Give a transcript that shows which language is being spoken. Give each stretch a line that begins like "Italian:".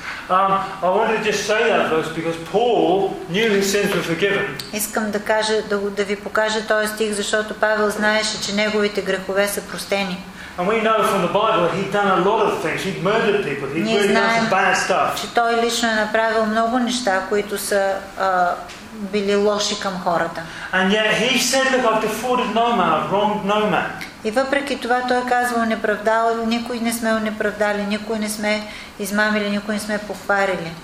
English: I want to just say that verse because Paul knew his sins were forgiven.
Bulgarian: Искам да кажа, да ви покажа този стих, защото Павел знаеше, че неговите грехове са простени.
English: And we know from the Bible that he'd done a lot of things. He'd murdered people. He'd really done some bad stuff.
Bulgarian: Че той лично е направил много неща, които са били лоши към хората.
English: And yet he said that I've defrauded no man, I've wronged no man.
Bulgarian: И въпреки това той казвал, неправдал никой не сме унеправдали, никой не сме измамили, никой не сме покварили.